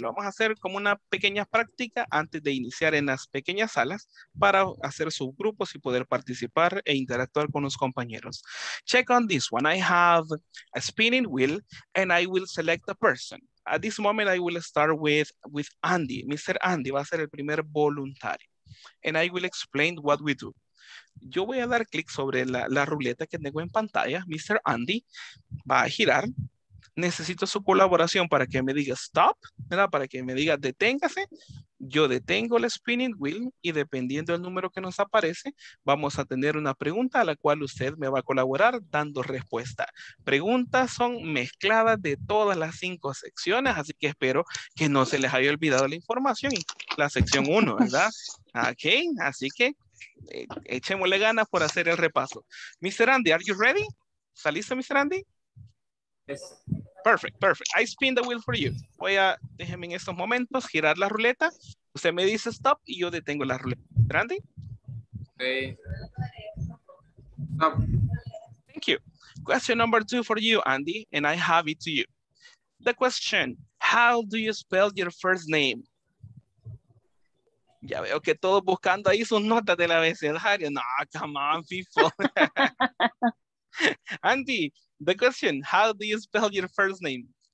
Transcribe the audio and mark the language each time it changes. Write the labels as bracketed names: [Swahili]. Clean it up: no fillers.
[Spanish] Vamos a hacer como una pequeña práctica antes de iniciar en las pequeñas salas para hacer subgrupos y poder participar e interactuar con los compañeros. [English] Check on this one. I have a spinning wheel and I will select a person. At this moment, I will start with Andy. [Spanish] Mr. Andy va a ser el primer voluntario. [English] And I will explain what we do. [Spanish] Yo voy a dar clic sobre la ruleta que tengo en pantalla. Mr. Andy va a girar. Necesito su colaboración para que me diga stop, ¿verdad? Para que me diga deténgase. yo detengo el spinning wheel y dependiendo del número que nos aparece, vamos a tener una pregunta a la cual usted me va a colaborar dando respuesta. Preguntas son mezcladas de todas las 5 secciones, así que espero que no se les haya olvidado la información en la sección 1, ¿verdad? Ok, así que echémosle ganas por hacer el repaso. [English] Mr. Andy, are you ready? ¿Saliste, Mr. Andy? Yes. Perfect, perfect. I spin the wheel for you. [Spanish] Voy a, déjeme en estos momentos, girar la ruleta. Usted me dice stop y yo detengo la ruleta. ¿Randy? [English] Ok. Stop. Thank you. Question number 2 for you, Andy, and I have it to you. The question, how do you spell your first name? [Spanish] Ya veo que todos buscando ahí sus notas del abecedario. [English] No, come on, people. Andy, the question, how do you spell your first name?